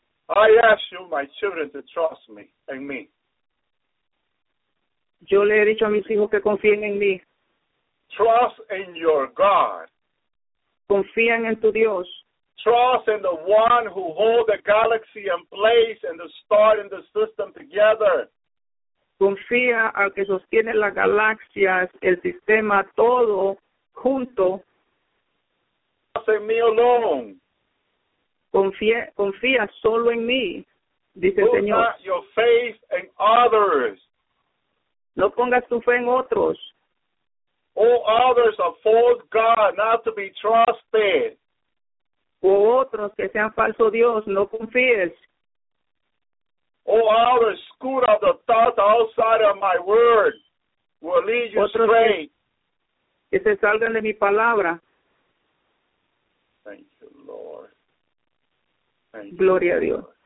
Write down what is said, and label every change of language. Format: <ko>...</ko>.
<en>I ask you, my children, to trust me and me.</en> <es>Yo le he dicho a mis hijos que confíen en mí.</es> <en>Trust in your God.</en> <es>Confían en tu Dios.</es> <en>Trust in the one who hold the galaxy in place and the star in the system together.</en> <es>Confía al que sostiene las galaxias, el sistema, todo junto.</es> <en>Trust in me alone.</en> <es>Confía solo en mí, dice el Señor.</es> <en>Put not your faith in others.</en> <es>No pongas tu fe en otros.</es> <en>All others are false God, not to be trusted.</en> <es>O otros que sean falso Dios, no confíes.</es> <en>All others, school of the thought outside of my word, will lead you</en> <es>otros</es> <en>astray.</en> <es>Que se salgan de mi palabra.</es> <en>Thank you, Lord.</en> <es>Gloria a Dios.</es>